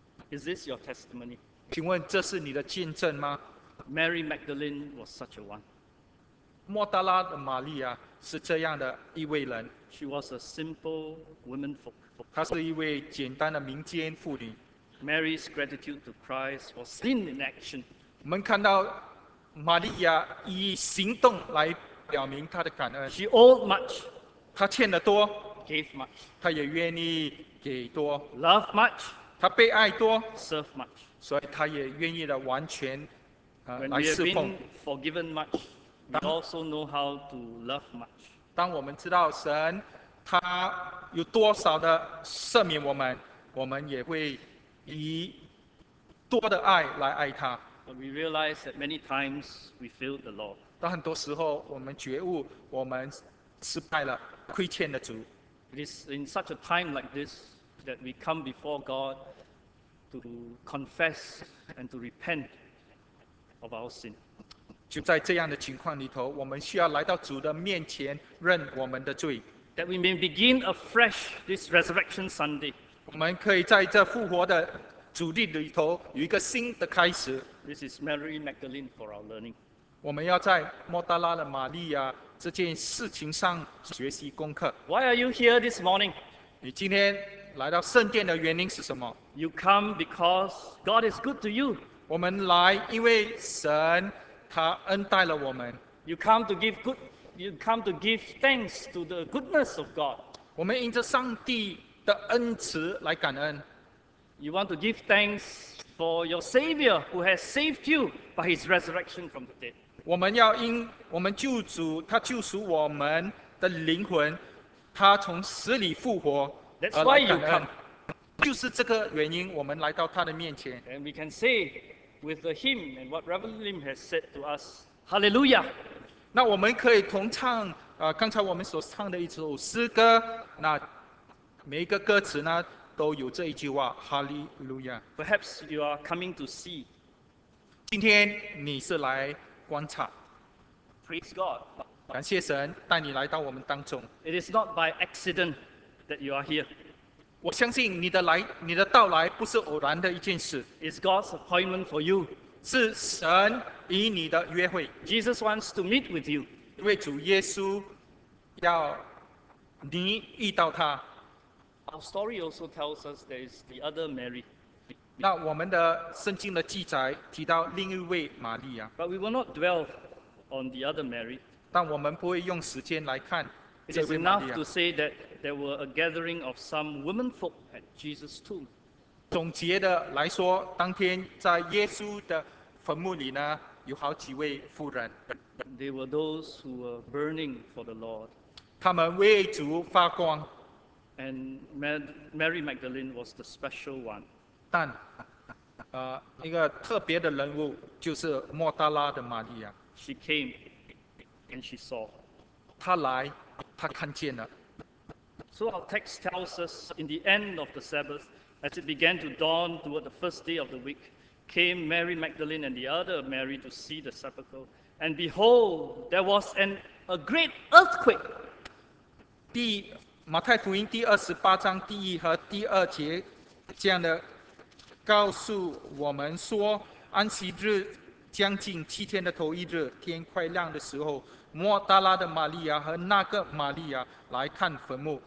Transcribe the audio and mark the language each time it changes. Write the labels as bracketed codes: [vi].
[en] Is this your testimony? [zh] 请问这是你的见证吗？ [en] Mary Magdalene was such a one. [zh] 莫大拉的玛利亚是这样的一位人。 [en] She was a simple woman folk. [zh] 她是一位简单的民间妇女。 [en] Mary's gratitude to Christ was seen in action. [zh] 我们看到玛利亚以行动来表明她的感恩。 [en] She owed much. [zh] 她欠得多。 [en] Gave much. [zh] 她也愿意给多。 [en] Loved much. [zh] 她被爱多。 [en] Served much. [zh] 所以她也愿意的完全来侍奉。 [en] When we have been forgiven much. We also know how to love much. [zh] 当我们知道神他有多少的赦免我们，我们也会以多的爱来爱他。 [en] But we realize that many times we fail the law. [zh] 当很多时候我们觉悟我们失败了，亏欠了主。 [en] It is in such a time like this that we come before God to confess and to repent of our sin. [zh] 就在这样的情况里头，我们需要来到主的面前认我们的罪。 [en] That we may begin afresh this Resurrection Sunday. [zh] 我们可以在这复活的主日里头有一个新的开始。 [en] This is Mary Magdalene for our learning. [zh] 我们要在莫大拉的玛利亚这件事情上学习功课。 [en] Why are you here this morning? [zh] 你今天来到圣殿的原因是什么？ [en] You come because God is good to you. [zh] 我们来因为神他恩待了我们。 [en] You come to give thanks to the goodness of God. [zh] 我们因着上帝的恩慈来感恩。 [en] You want to give thanks for your Savior who has saved you by His resurrection from the dead. [zh] 我们要因我们救主他救赎我们的灵魂，他从死里复活而来感恩。 [en] That's why you come. [zh] 就是这个原因，我们来到他的面前。 [en] And we can say. With the hymn and what Reverend Lim has said to us, Hallelujah. [zh] 那我们可以同唱刚才我们所唱的一首诗歌，那每一个歌词呢都有这一句话 ，Hallelujah. [en] Perhaps you are coming to see. [zh] 今天你是来观察。 [en] Praise God. [zh] 感谢神带你来到我们当中。 [en] It is not by accident that you are here. [zh] 我相信你的来，你的到来不是偶然的一件事。 [en] It's God's appointment for you. [zh] 是神与你的约会。 [en] Jesus wants to meet with you. [zh] 因为主耶稣要你遇到他。 [en] Our story also tells us there is the other Mary. [zh] 那我们的圣经的记载提到另一位玛利亚。 [en] But we will not dwell on the other Mary. [zh] 但我们不会用时间来看这位 [en] 玛利亚。It is enough to say that. There were a gathering of some women folk at Jesus' tomb. [zh] 总结的来说，当天在耶稣的坟墓里呢，有好几位妇人。 [en] They were those who were burning for the Lord. [zh] 他们为主发光。 [en] And Mary Magdalene was the special one. [zh] 但，一个特别的人物就是莫大拉的玛利亚。 [en] She came and she saw. [zh] 她来，她看见了。 [en] So our text tells us, in the end of the Sabbath, as it began to dawn toward the first day of the week, came Mary Magdalene and the other Mary to see the sepulchre. And behold, there was a great earthquake. [zh] 马太福音第二十八章第一和第二节这样的告诉我们说，安息日将近七天的头一日，天快亮的时候。莫大拉的玛利亚和那个玛利亚来看坟墓。